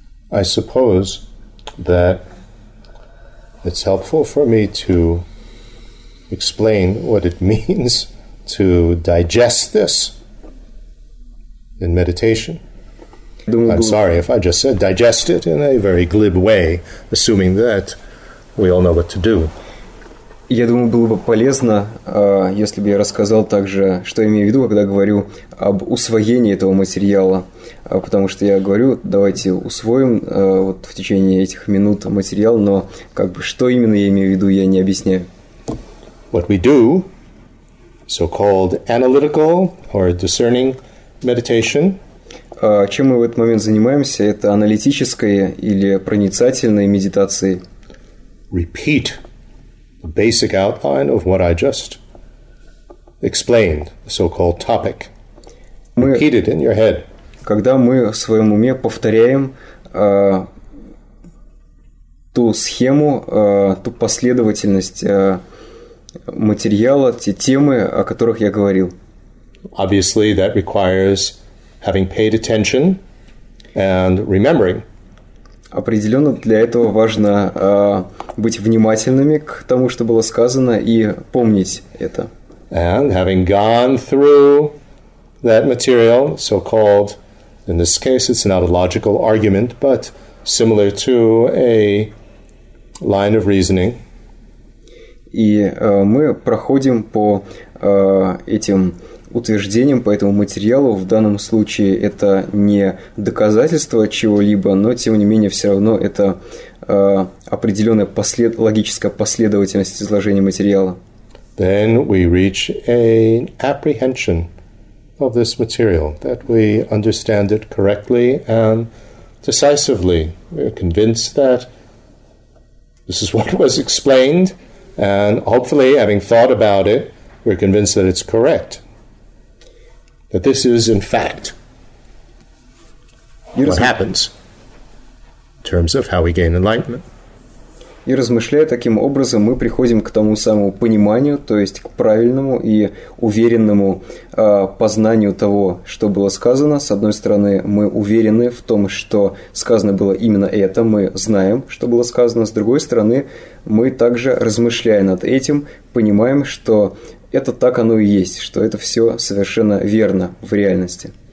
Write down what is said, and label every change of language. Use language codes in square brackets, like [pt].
[en] I suppose that it's helpful for me to explain what it means to digest this in meditation. I'm sorry if I just said digest it in a very glib way, assuming that we all know what to do. [ru] Я думаю, было бы полезно, если бы я рассказал также, что я имею в виду, когда говорю об усвоении этого материала, потому что я говорю, давайте усвоим вот в течение этих минут материал, но как бы что именно я имею в виду, я не объясняю. [en] What we do, so-called analytical or discerning meditation. [ru] Чем мы в этот момент занимаемся, это аналитической или проницательной медитацией. [en] Repeat. The basic outline of what I just explained, the so-called topic. Repeat it in your head. [ru] Когда мы в своем уме повторяем ту схему, ту последовательность материала, те темы, о которых я говорил. [en] Obviously, that requires having paid attention and remembering. [ru] Определенно, для этого важно быть внимательными к тому, что было сказано, и помнить это. [en] And having gone through that material, so-called, in this case, it's not a logical argument, but similar to a line of reasoning. [ru] И мы проходим по этим утверждением по этому материалу. В данном случае это не доказательство чего-либо, но тем не менее все равно это определенная логическая последовательность изложения материала. [en] Then we reach an apprehension of this material, that we understand it correctly and decisively. We are convinced that this is what was explained, and hopefully, having thought about it, we're convinced that it's correct. That this is, in fact, what happens in terms of how we gain enlightenment. [ru] И размышляя таким образом, мы приходим к тому самому пониманию, то есть к правильному и уверенному познанию того, что было сказано. С одной стороны, мы уверены в том, что сказано было именно это, мы знаем, что было сказано. С другой стороны, мы также, размышляя над этим, понимаем, что это так оно и есть, что это все совершенно верно в реальности.